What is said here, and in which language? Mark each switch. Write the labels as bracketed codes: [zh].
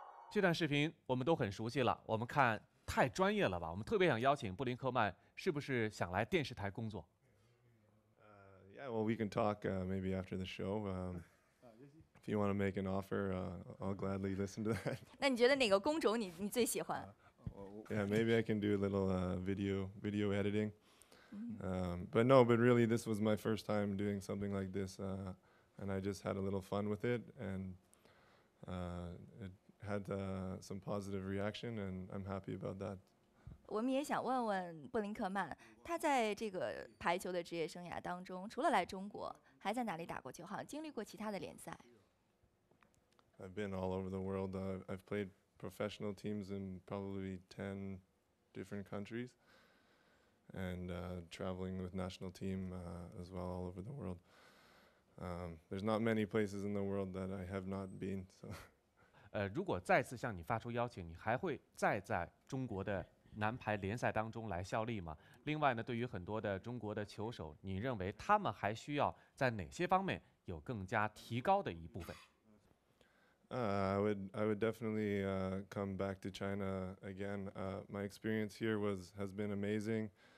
[zh] 这段视频我们都很熟悉了，我们看太专业了吧？我们特别想邀请布林克曼，是不是想来电视台工作？ [en] Yeah, well, we can talk maybe after the show. If you want to make an offer, I'll gladly listen to that. [zh] 那你觉得哪个工种你最喜欢 [en] ？Yeah, maybe I can do a little video editing. But no, but really, this was my first time doing something like this, and I just had a little fun with it, and it had some positive reaction, and I'm happy about that. [zh] 我们也想问问布林克曼，他在这个排球的职业生涯当中，除了来中国，还在哪里打过球？好像经历过其他的联赛。 [en] I've been all over the world. I've played professional teams in probably 10 different countries, and traveling with national team as well all over the world. There's not many places in the world that I have not been. So, [zh] 如果再次向你发出邀请，你还会再在中国的男排联赛当中来效力吗？另外呢，对于很多的中国的球手，你认为他们还需要在哪些方面有更加提高的一部分？ [en] I would definitely come back to China again. My experience here has been amazing.